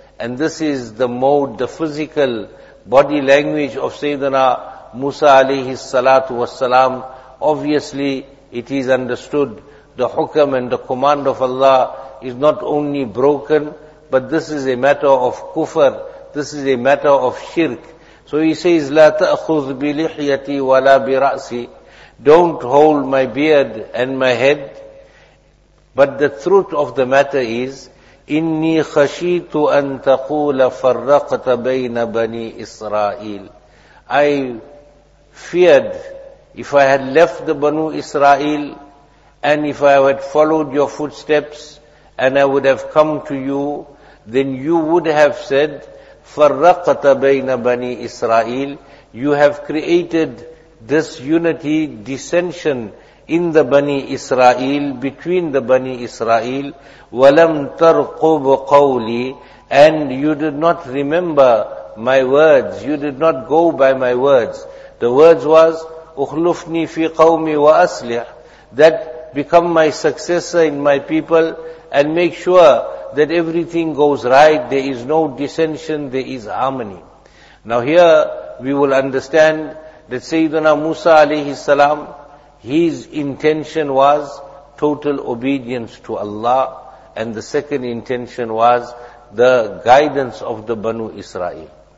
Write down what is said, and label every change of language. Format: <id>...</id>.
<en>And this is the mode, the physical body language of Sayyidina Musa alayhi salatu wasalam. Obviously, it is understood the hukam and the command of Allah is not only broken, but this is a matter of kufr. This is a matter of shirk. So he says,</en> <ar>لا تأخذ بلحيتي ولا برأسي.</ar> <en>Don't hold my beard and my head. But the truth of the matter is,</en> <ar>إني خشيت أن تقول فرقت بين بني إسرائيل.</ar> <en>I feared if I had left the Banu Israel and if I had followed your footsteps and I would have come to you, then you would have said,</en> <ar>فرقت بين بني إسرائيل.</ar> <en>You have created disunity, dissension in the Bani Israel, between the Bani Israel.</en> <ar>وَلَمْ تَرْقُبْ قَوْلِي.</ar> <en>And you did not remember my words. You did not go by my words. The words was,</en> <ar>أُخْلُفْنِي فِي قَوْمِي وَأَسْلِحْ.</ar> <en>That become my successor in my people and make sure that everything goes right. There is no dissension, there is harmony. Now here we will understand that Sayyidina Musa alayhi salam, his intention was total obedience to Allah, and the second intention was the guidance of the Banu Israel.</en>